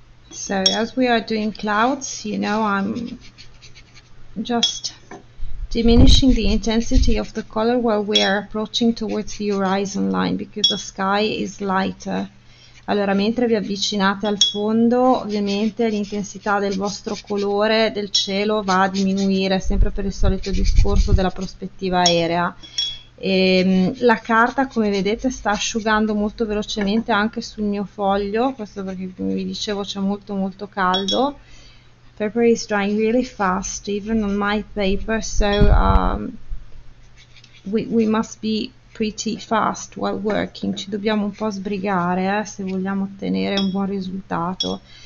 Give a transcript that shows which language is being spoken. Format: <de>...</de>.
<en>So as we are doing clouds, you know, I'm just diminishing the intensity of the color while we are approaching towards the horizon line, because the sky is lighter.</en> <it>Allora, mentre vi avvicinate al fondo, ovviamente l'intensità del vostro colore del cielo va a diminuire, sempre per il solito discorso della prospettiva aerea. E la carta, come vedete, sta asciugando molto velocemente anche sul mio foglio, questo perché, come vi dicevo, c'è molto molto caldo.</it> <en>Paper is drying really fast even on my paper, so we must be pretty fast while working.</en> <it>Ci dobbiamo un po' sbrigare, se vogliamo ottenere un buon risultato.</it>